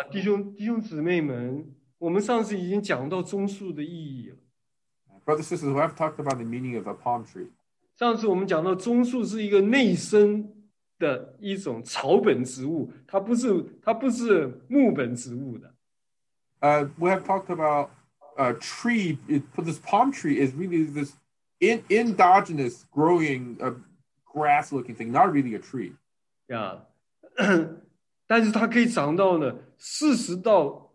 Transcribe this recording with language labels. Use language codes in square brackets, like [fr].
[zh] 弟兄姊妹们，我们上次已经讲到棕树的意义了。 [en] Brothers and sisters, we have talked about the meaning of a palm tree. [zh] 上次我们讲到棕树是一个内生 的一种草本植物，它不是木本植物的。 [en] We have talked about a tree. This palm tree is really this endogenous growing grass-looking thing, not really a tree. [zh] Yeah, 但是它可以长到呢四十到